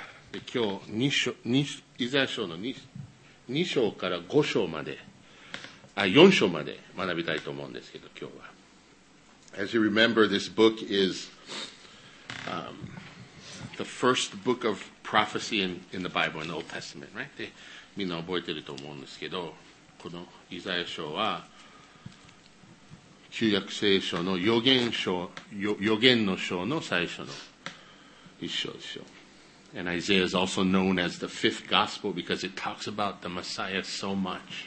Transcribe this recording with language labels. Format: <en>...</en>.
<ja>で今日2章、イザヤ書の 2章から5章まで、あ、4章まで学びたいと思うんですけど、今日は。</ja> <en>As you remember, this book is、the first book of prophecy in the Bible, in the Old Testament, right?</en> <ja>で、みんな覚えてると思うんですけど、このイザヤ書は、旧約聖書の預言の章の最初の一章ですよ。</ja> <en>And Isaiah is also known as the fifth gospel because it talks about the Messiah so much.</en>